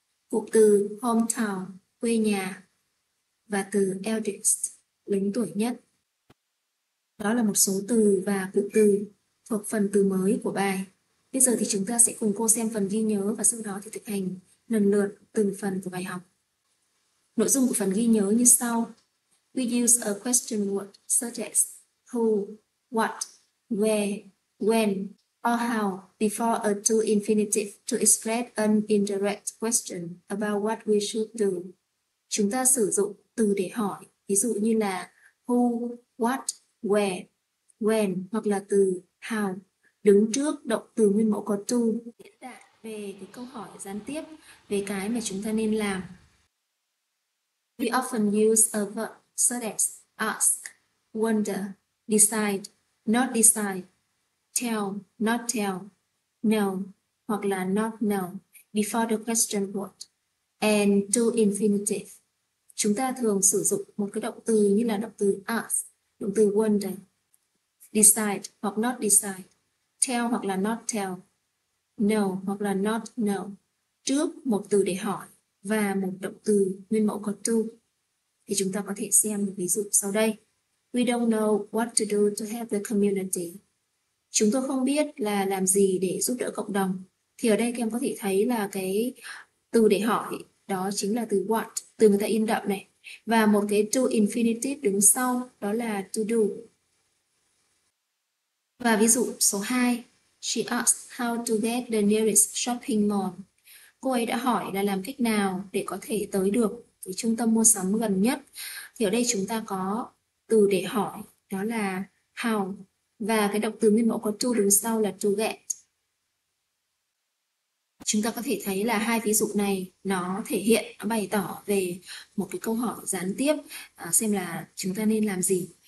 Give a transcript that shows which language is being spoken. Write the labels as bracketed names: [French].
[Vietnamese] Cụm từ hometown, quê nhà, và từ eldest, lớn tuổi nhất. Đó là một số từ và cụm từ thuộc phần từ mới của bài. Bây giờ thì chúng ta sẽ cùng cô xem phần ghi nhớ và sau đó thì thực hành lần lượt từng phần của bài học. Nội dung của phần ghi nhớ như sau. [English] We use a question word such as who, what, where, when, or how before a to infinitive to express an indirect question about what we should do. [Vietnamese] Chúng ta sử dụng từ để hỏi, ví dụ như là who, what, where, when, hoặc là từ how, đứng trước động từ nguyên mẫu có to, diễn đạt về cái câu hỏi gián tiếp về cái mà chúng ta nên làm. [English] We often use a verb such as ask, wonder, decide, tell, not tell, know, [Vietnamese] hoặc là [English] not know, before the question word, and to infinitive. [Vietnamese] Chúng ta thường sử dụng một cái động từ như là động từ ask, động từ wonder, decide hoặc not decide, tell hoặc là not tell, know hoặc là not know, trước một từ để hỏi và một động từ nguyên mẫu có to. Thì chúng ta có thể xem một ví dụ sau đây. [English] We don't know what to do to help the community. [Vietnamese] Chúng tôi không biết là làm gì để giúp đỡ cộng đồng. Thì ở đây các em có thể thấy là cái từ để hỏi đó chính là từ what, từ người ta in đậm này. Và một cái to infinitive đứng sau đó là to do. Và ví dụ số 2. [English] She asked how to get the nearest shopping mall. [Vietnamese] Cô ấy đã hỏi là làm cách nào để có thể tới được cái trung tâm mua sắm gần nhất. Thì ở đây chúng ta có từ để hỏi, đó là how, và cái động từ nguyên mẫu có to đứng sau là to get. Chúng ta có thể thấy là hai ví dụ này nó thể hiện, nó bày tỏ về một cái câu hỏi gián tiếp, xem là chúng ta nên làm gì.